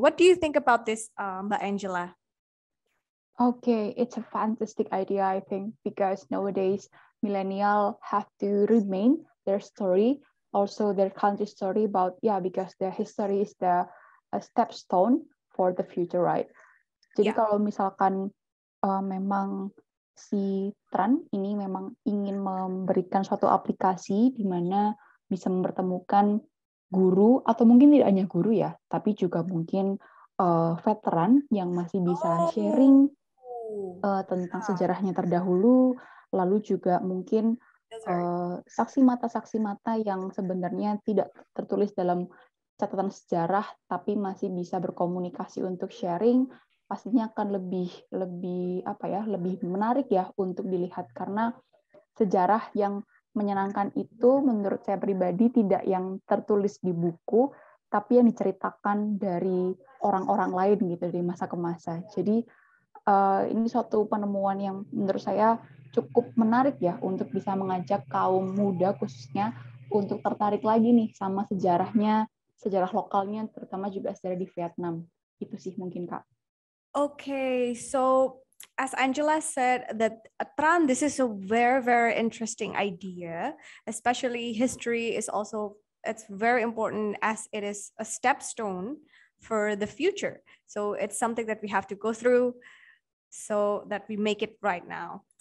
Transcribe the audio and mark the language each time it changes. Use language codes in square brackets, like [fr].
[en] What do you think about this, Mbak Angela? Okay, it's a fantastic idea, I think, because nowadays millennials have to remain their story, also their country story about, yeah, because their history is the step stone for the future, right? [id] Jadi yeah. Kalau misalkan memang si Tran ini memang ingin memberikan suatu aplikasi di mana bisa mempertemukan guru, atau mungkin tidak hanya guru ya, tapi juga mungkin veteran yang masih bisa sharing tentang sejarahnya terdahulu, lalu juga mungkin saksi mata yang sebenarnya tidak tertulis dalam catatan sejarah, tapi masih bisa berkomunikasi untuk sharing, pastinya akan lebih menarik ya untuk dilihat, karena sejarah yang menyenangkan itu menurut saya pribadi tidak yang tertulis di buku, tapi yang diceritakan dari orang-orang lain gitu dari masa ke masa. Jadi ini suatu penemuan yang menurut saya cukup menarik ya untuk bisa mengajak kaum muda khususnya untuk tertarik lagi nih sama sejarahnya, sejarah lokalnya, terutama juga sejarah di Vietnam. Itu sih mungkin, Kak. [en] Okay, so as Angela said, that Tran, this is a very, very interesting idea, especially history is also, it's very important as it is a stepstone for the future. So it's something that we have to go through so that we make it right now.